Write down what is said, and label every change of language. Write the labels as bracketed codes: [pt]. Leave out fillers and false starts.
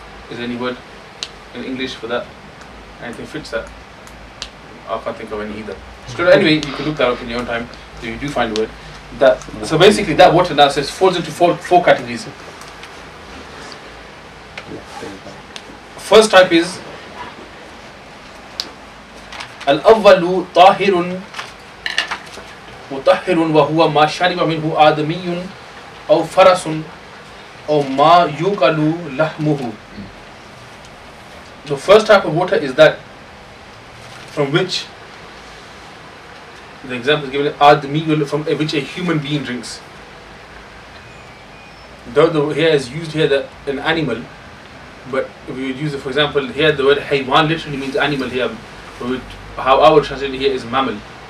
[en] Is there any word in English for that? Anything fits that? I can't think of any either. So anyway, you can look that up in your own time, if you do find a word. So basically that water now says falls into four categories. First type is [ar] Al-Awwalu Tahirun مطهر وهو ما شرب منه آدمي أو فرس أو ما يوكل لحمه. [en] The first type of water is that from which, the example is given, آدمي, from which a human being drinks. Though the here is used here that an animal, but if we would use it, for example, here the word حيوان literally means animal here, but how I would translate it here is mammal.